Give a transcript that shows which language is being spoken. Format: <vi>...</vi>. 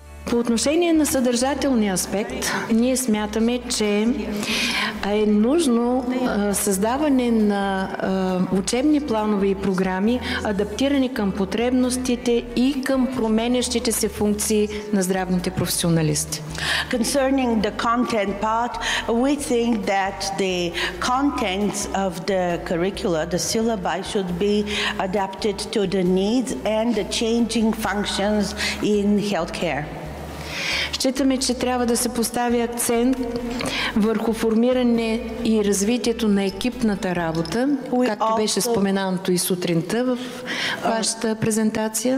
<bg>По отношение на съдържателния аспект, ние смятаме, че е нужно създаване на учебни планове и програми, адаптирани към потребностите и към променящите се функции на здравните професионалисти.</bg> <en>Concerning the content part, we think that the contents of the curricula, the syllabi, should be adapted to the needs and the changing functions in healthcare.</en> <bg>Считаме, че трябва да се постави акцент върху формиране и развитието на екипната работа, както беше споменато и сутринта в вашата презентация.</bg>